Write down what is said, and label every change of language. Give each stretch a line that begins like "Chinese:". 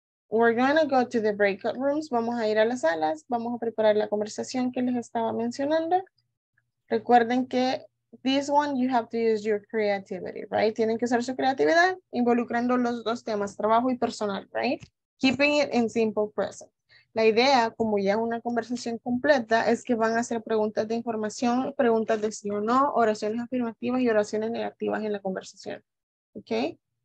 English: We're going to go to the breakout rooms.
Spanish: Vamos a ir a las salas. Vamos a preparar la conversación que les estaba mencionando. Recuerden que
English: this one, you have to use your creativity, right?
Spanish: Tienen que usar su creatividad involucrando los dos temas, trabajo y personal, right?
English: Keeping it in simple present.
Spanish: La idea, como ya una conversación completa, es que van a hacer preguntas de información, preguntas de sí o no, oraciones afirmativas y oraciones negativas en la conversación, ¿ok?